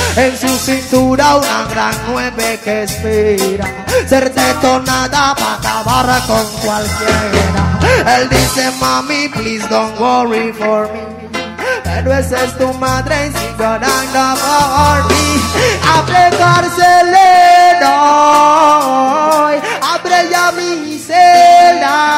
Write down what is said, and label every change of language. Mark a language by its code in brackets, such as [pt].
[es] En su cintura una gran nueve que espera ser detonada para acabar con cualquiera. Él dice, mami, [en] please don't worry for me. [es] Pero esa es tu madre y sigue orando por mí. Abre cárcele hoy, abre ya mi celda.